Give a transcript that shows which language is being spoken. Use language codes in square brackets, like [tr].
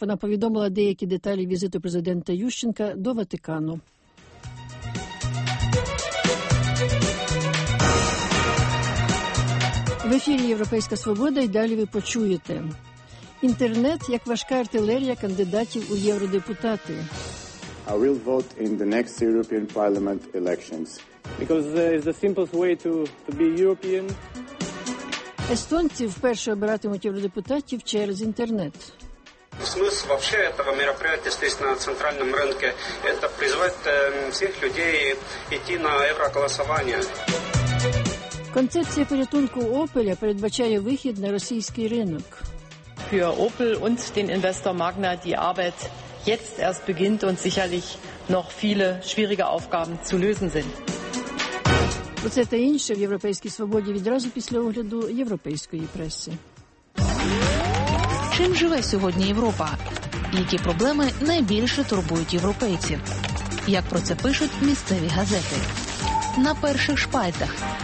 [uk] Вона повідомила деякі деталі візиту президента Ющенка до Ватикану. В ефірі «Європейська свобода» і далі ви почуєте. Інтернет як важка артилерія кандидатів у євродепутати. [en] I will vote in the next European Parliament elections. Because it's the simplest way to be European. [uk] Естонці вперше обиратимуть євродепутатів через інтернет. [ru] Смисл вообще этого мероприятия здесь на центральном рынке – это призвать [uk] всіх людей йти на евроголосування. Концепція порятунку Опеля передбачає вихід на російський ринок. [de] Für Opel und den Investor Magna die Arbeit jetzt erst beginnt und sicherlich noch viele schwierige Aufgaben zu lösen sind. [uk] Оце та інше в Європейській свободі відразу після огляду європейської преси. Чим живе сьогодні Європа? Які проблеми найбільше турбують європейців? Як про це пишуть місцеві газети? На перших шпальтах.